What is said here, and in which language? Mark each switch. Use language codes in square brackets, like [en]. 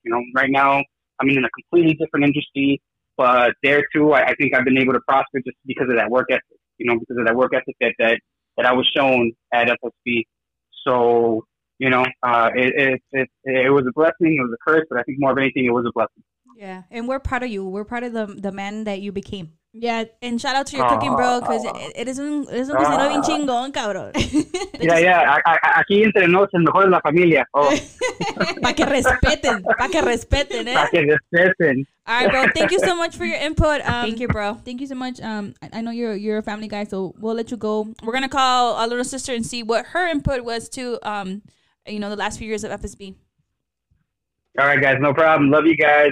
[en] You know, right now I'm in a completely different industry, but there too, I think I've been able to prosper just because of that work ethic, you know, because of that work ethic that I was shown at FSB. So, you know, it was a blessing, it was a curse, but I think more of anything, it was a blessing. Yeah, and we're proud of you. We're proud of the man that you became. Yeah, and shout out to your cooking, bro, because it is [es] un cocinero bien chingón, cabrón. Yeah, aquí entre nos el mejor de la familia. Para que respeten, ¿eh? Para que respeten. [en] All right, bro, thank you so much for your input. Thank you, bro. Thank you so much. I know you're a family guy, so we'll let you go. We're going to call our little sister and see what her input was to, you know, the last few years of FSB. All right, guys. No problem. Love you guys.